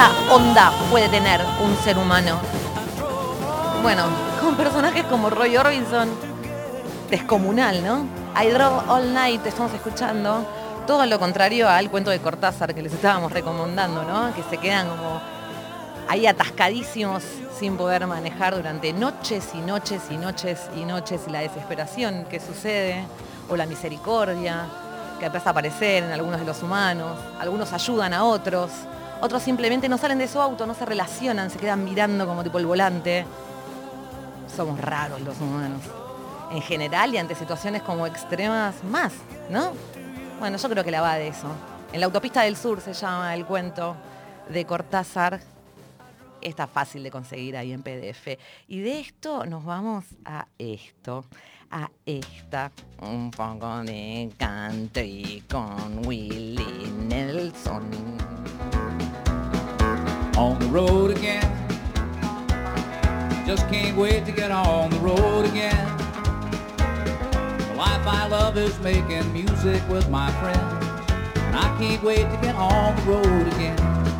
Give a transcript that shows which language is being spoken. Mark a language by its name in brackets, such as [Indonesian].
[Spanish] onda puede tener un ser humano. Bueno, con personajes como Roy Orbison, descomunal, ¿no? [English] I drove all night, [Spanish] te estamos escuchando. Todo lo contrario al cuento de Cortázar que les estábamos recomendando, ¿no? Que se quedan como ahí atascadísimos sin poder manejar durante noches y noches y noches y noches. Y la desesperación que sucede, o la misericordia que empieza a aparecer en algunos de los humanos. Algunos ayudan a otros. Otros simplemente no salen de su auto, no se relacionan, se quedan mirando como tipo el volante. Somos raros los humanos. En general y ante situaciones como extremas, más, ¿no? Bueno, yo creo que la va de eso. En la autopista del sur se llama el cuento de Cortázar. está fácil de conseguir ahí en PDF. Y de esto nos vamos a esto, a esta, un poco de country con Willie Nelson. [English] On the road again, just can't wait to get on the road again. The life I love is making music with my friends, and I can't wait to get on the road again.